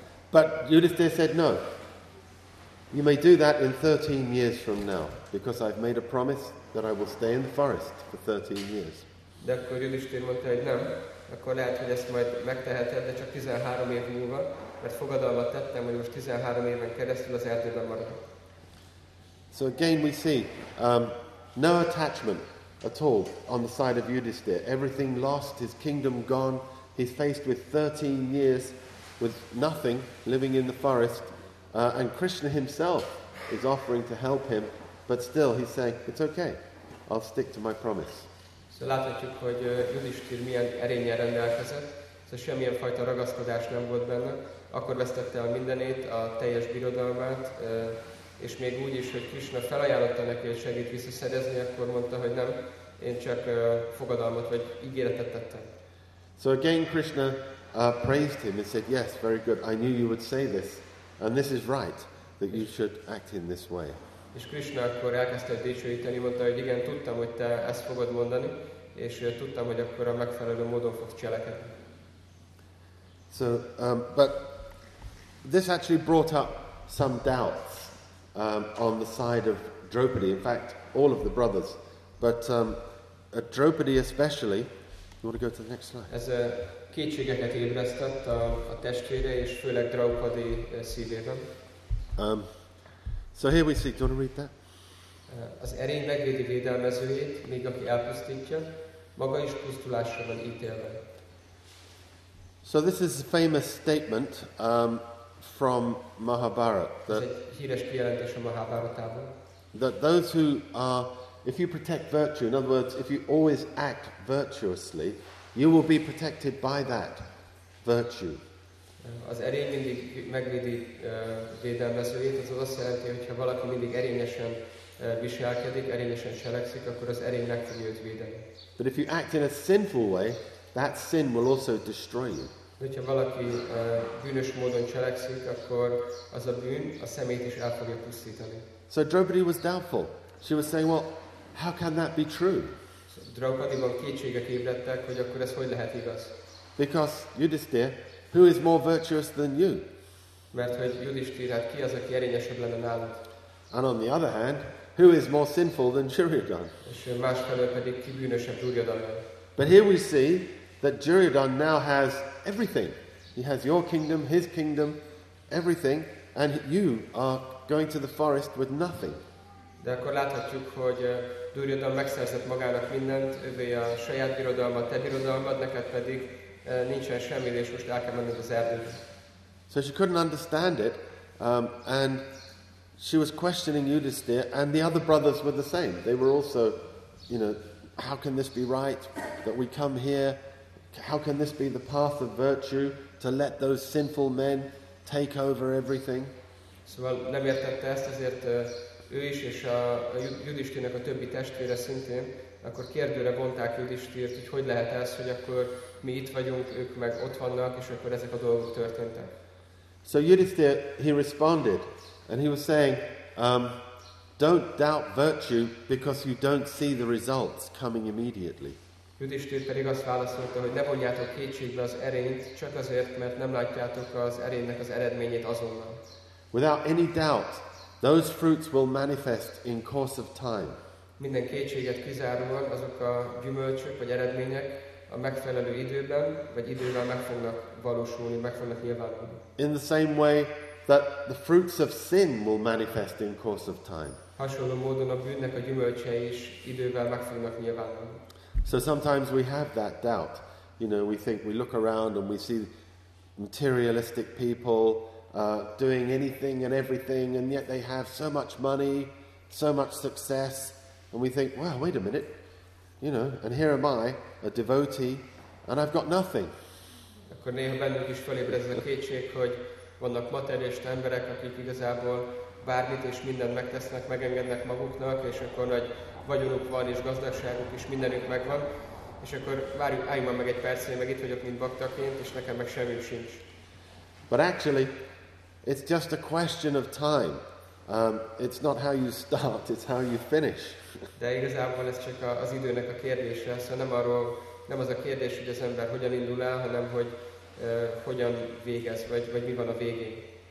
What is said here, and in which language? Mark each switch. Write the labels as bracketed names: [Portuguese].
[English] But Yudhisthira said no. You may do that in 13 years from now, because I've made a promise that I will stay in the forest for 13 years. [Hungarian] De akkor Yudhisthira mondta, hogy nem, akkor lehet, hogy ezt majd megteheted, de csak 13 év múlva, mert fogadalmat tettem, hogy most 13 éven keresztül az erdőben maradok. [English] So again we see no attachment at all on the side of Yudhisthira. Everything lost, his kingdom gone, he's faced with 13 years with nothing, living in the forest. And Krishna himself is offering to help him, but still he's saying, it's okay, I'll stick to my promise. [Hungarian] So láthatjuk, hogy Yudhisthira milyen erénnyel rendelkezett, szóval semmilyen fajta ragaszkodás nem volt benne, akkor vesztette el mindenét, a teljes birodalmát, és még úgy is, hogy Krishna felajánlotta neki, hogy segít visszaszerezni, akkor mondta, hogy nem, én csak fogadalmat vagy ígéretet tettem. [English] So again Krishna praised him and said, yes, very good, I knew you would say this. And this is right that you should act in this way. [Hungarian] És Krishna akkor elkezdte dicsőíteni, mondta, hogy igen, tudtam, hogy te ezt fogod mondani, és tudtam, hogy akkor a megfelelő módon fogsz cselekedni. [English] So, but this actually brought up some doubts on the side of Draupadi. In fact, all of the brothers, but Draupadi especially. You want to go to the next slide? [Hungarian] Ez a kétségeket ébresztett a testvére, és főleg Draupadi szívében. [English] So here we see, do you want to read that? [Hungarian] Az erény megvédi védelmezőjét, még aki elpusztítja, maga is pusztulásra van ítélve. [English] So this is a famous statement from Mahabharata. [Hungarian] Ez egy híres kijelentés a Mahabharatában. [English] That those who are, if you protect virtue, in other words, if you always act virtuously, you will be protected by that virtue. [Hungarian] Az erény mindig megvédi védelmezőjét, az azt jelenti, hogy ha valaki mindig erényesen viselkedik, erényesen cselekszik, akkor az erény meg fogja őt védeni. [English] But if you act in a sinful way, that sin will also destroy you. [Hungarian] Hogyha valaki bűnös módon cselekszik, akkor az a bűn a szemét is el fogja pusztítani. [English] So Draupadi was doubtful. She was saying, well, how can that be true? [Hungarian] Draupadiban kétségek ébredtek, hogy akkor ez hogy lehet igaz? [English] Because Yudhisthira, who is more virtuous than you? [Hungarian] Mert hogy Yudhisthira, hát ki az, aki erényesebb lenne nálad? [English] And on the other hand, who is more sinful than Duryodhan? [Hungarian] És másfelől pedig ki bűnösebb Duryodhannál? [English] But here we see that Duryodhan now has everything. He has your kingdom, his kingdom, everything, and you are going to the forest with nothing. [Hungarian] De akkor láthatjuk, hogy Duryodhan megszerzett magának mindent, ővé a saját birodalmat, te birodalmad, neked pedig nincsen semmi, és most el kell menned az erdőbe. [English] So she couldn't understand it, and she was questioning Yudhisthira, and the other brothers were the same. They were also, you know, how can this be right, that we come here? How can this be the path of virtue, to let those sinful men take over everything? [Hungarian] Szóval nem értette ezt, ezért ő is, és a Yudhisthirának a többi testvére szintén, akkor kérdőre vonták Yudhisthirt, hogy hogy lehet ez, hogy akkor mi itt vagyunk, ők meg ott vannak, és akkor ezek a dolgok történtek. [English] So Yudhisthira, he responded, and he was saying, don't doubt virtue because you don't see the results coming immediately. [Hungarian] Yudhisthir pedig azt válaszolta, hogy ne vonjátok kétségbe az erényt, csak azért, mert nem látjátok az erénynek az eredményét azonnal. [English] Without any doubt, those fruits will manifest in course of time. [Hungarian] Minden kétséget kizárólag azok a gyümölcsök vagy eredmények a megfelelő időben vagy idővel meg fognak valósulni, meg fognak nyilvánulni. [English] In the same way that the fruits of sin will manifest in course of time. [Hungarian] Hasonló módon a bűnnek a gyümölcse is idővel meg fognak nyilvánulni. [English] So sometimes we have that doubt. You know, we think, we look around and we see materialistic people doing anything and everything, and yet they have so much money, so much success, and we think, wow, wait a minute, you know, and here am I, a devotee, and I've got nothing. [Hungarian] Akkor néha bennünk is felébred ez a kétség, hogy vannak materialista emberek, akik igazából bármit és mindent megtesznek, megengednek maguknak, és akkor nagy vagyonuk van, és gazdagságuk, és mindenük megvan, és akkor várjuk, állj meg egy perc, meg itt vagyok, mint baktaként, és nekem meg semmi sincs. [English] But actually, it's just a question of time. It's not how you start, it's how you finish. [Hungarian] De igazából ez csak az időnek a kérdése, szóval nem arról, nem az a kérdés, hogy az ember hogyan indul el, hanem hogy hogyan végez, vagy mi van a végén.